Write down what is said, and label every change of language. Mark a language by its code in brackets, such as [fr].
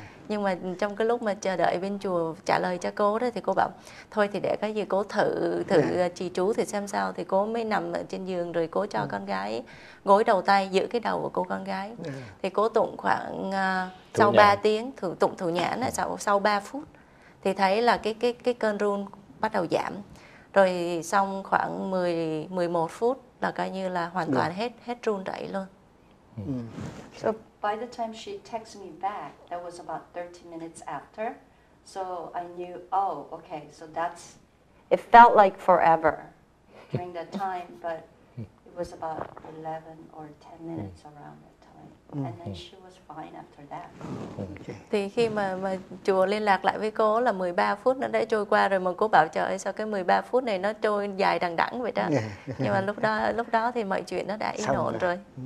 [vi] Nhưng mà trong cái lúc mà chờ đợi bên chùa trả lời cho cô đó thì cô bảo thôi thì để cái gì cô thử trì chú thì xem sao, thì cô mới nằm ở trên giường rồi cô cho con gái gối đầu tay giữ cái đầu của cô con gái. Thì cô tụng khoảng sau 3 tiếng, tụng Thủ Nhãn là sau 3 phút thì thấy là cái cơn run bắt đầu giảm. Rồi xong khoảng 10-11 phút là coi như là hoàn toàn hết run rẩy luôn. [en] So by the time she texted me back, that was about 30 minutes after. So I knew, oh, okay, so that's, it felt like forever during that time, but it was about 11 or 10 minutes around it. And then she was fine after that. Okay. [vi] Thì khi mà chùa liên lạc lại với cô là 13 phút nó đã trôi qua rồi, mà cô bảo trời ơi sao cái 13 phút này nó trôi dài đằng đẵng vậy đó. Nhưng mà lúc đó thì mọi chuyện nó đã yên ổn rồi.